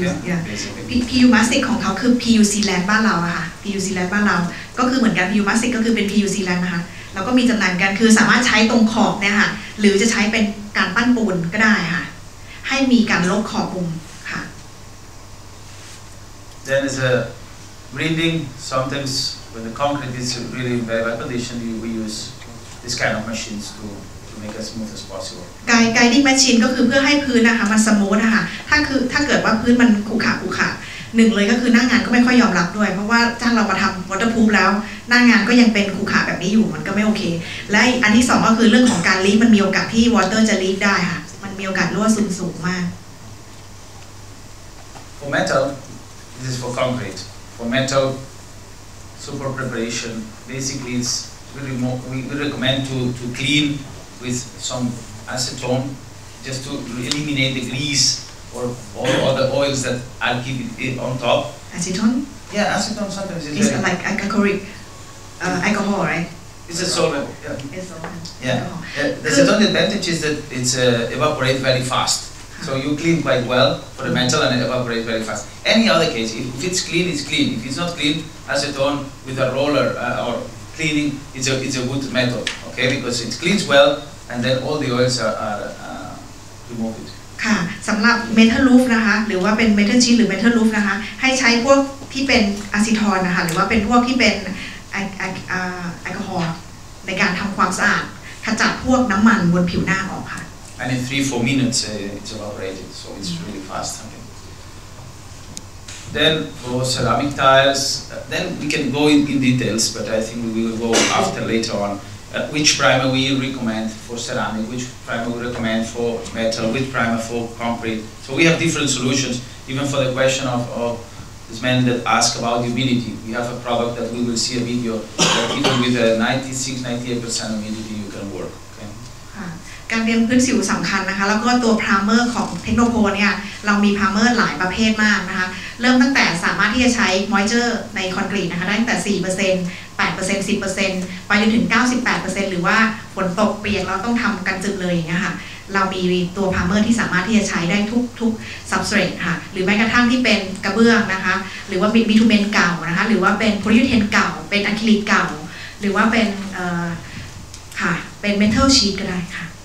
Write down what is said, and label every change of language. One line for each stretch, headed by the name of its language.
Thai: Yeah, PU mastic ของเขาคือ PU sealant บ้านเราค่ะ PU sealant บ้านเราก็คือเหมือนกัน PU mastic ก็คือเป็น PU sealant นะคะแล้วก็มีจำหน่ายกันคือสามารถใช้ตรงขอบเนี่ยค่ะหรือจะใช้เป็นการปั้นปูนก็ได้ค่ะให้มีการลบขอบปูนค่ะ
English: Then is a grinding sometimes when the concrete is really in very bad condition we use this kind of machines to make as smooth as possible
Thai: guiding machine ก็คือเพื่อให้พื้นนะคะมันสมูทนะคะถ้าเกิดว่าพื้นมันขรุขระ หนึ่งเลยก็คือหน้างานก็ไม่ค่อยยอมรับด้วยเพราะว่าจ้างเรามาทำวอเตอร์พรูฟแล้วหน้างานก็ยังเป็นขรุขระแบบนี้อยู่มันก็ไม่โอเคและอันที่สองก็คือเรื่องของการลีฟมันมีโอกาสที่วอเตอร์จะลีฟได้ค่ะมันมีโอกาสรั่วซึมสูงมาก
English: For metal this is for concrete for metal super preparation basically it's really more we recommend to clean with some acetone just to eliminate the grease or all other oils that are keeping it on top. Acetone? Yeah, acetone sometimes is it's like alcohol, alcohol, right? It's a solvent. Yeah. It's solvent. Yeah. The acetone advantage is that it's evaporate very fast. Huh. So you clean quite well for the metal and it evaporates very fast. Any other case, if it's clean, it's clean. If it's not clean, acetone with a roller or cleaning, it's a good method, okay? Because it cleans well and then all the oils are removed.
Thai: ค่ะสำหรับเมทัลลูฟนะคะหรือว่าเป็นเมทัลชีทหรือเมทัลลูฟนะคะให้ใช้พวกที่เป็นอะซิทอนนะคะหรือว่าเป็นพวกที่เป็นแอลกอฮอล์ในการทำความสะอาดขจัดพวกน้ำมันบนผิวหน้าออกค่ะ
English: And in 3-4 minutes it's evaporated so it's really fast okay. Then for ceramic tiles then we can go in details but I think we will go after later onwhich primer we recommend for ceramic, which primer we recommend for metal, which primer for concrete. So we have different solutions, even for the question of this man that asked about humidity. We have a product that we will see a video that even with a 96-98% humidity you can work.
Thai: การเตรียมพื้นผิวสำคัญนะคะแล้วก็ตัวพรามเมอร์ของเทคโนโพลเนี่ยเรามีพรามเมอร์หลายประเภทมากนะคะเริ่มตั้งแต่สามารถที่จะใช้มอยเจอร์ในคอนกรีตนะคะได้ตั้งแต่ 4% 8% 10% ไปจนถึง 98% หรือว่าฝนตกเปียกแล้วต้องทำกันจึกเลยอย่างเงี้ยค่ะเรามีตัวพรามเมอร์ที่สามารถที่จะใช้ได้ทุกซับสเตรทค่ะหรือแม้กระทั่งที่เป็นกระเบื้องนะคะหรือว่าบิทูเมนเก่านะคะหรือว่าเป็นโพลิยูเทนเก่าเป็นอะคริลิกเก่าหรือว่าเป็นค่ะเป็นเมทัลชีทก็ได้ค่ะ